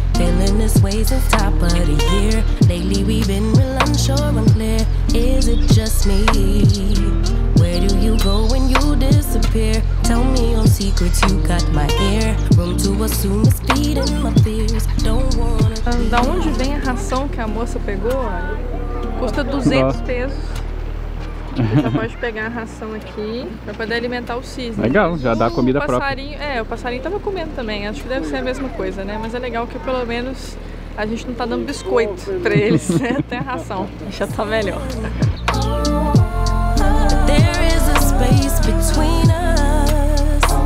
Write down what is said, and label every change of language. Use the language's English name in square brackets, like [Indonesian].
[English] Feeling this way since top of the year. Lately we've been real unsure, unclear. Is it just me? Where do you go when you disappear? Tell me your secrets, you got my ear. Room to assume the speed in my fears. Don't wanna. [Portuguese] Da onde vem a ração que a moça pegou? Custa 200 pesos. Você já pode pegar a ração aqui pra poder alimentar o cisne. Legal, já dá comida o passarinho, própria. É, o passarinho tava comendo também. Acho que deve ser a mesma coisa, né? Mas é legal que pelo menos a gente não tá dando biscoito pra eles. Né? Até a ração. Já tá melhor. [English] There is a space between us.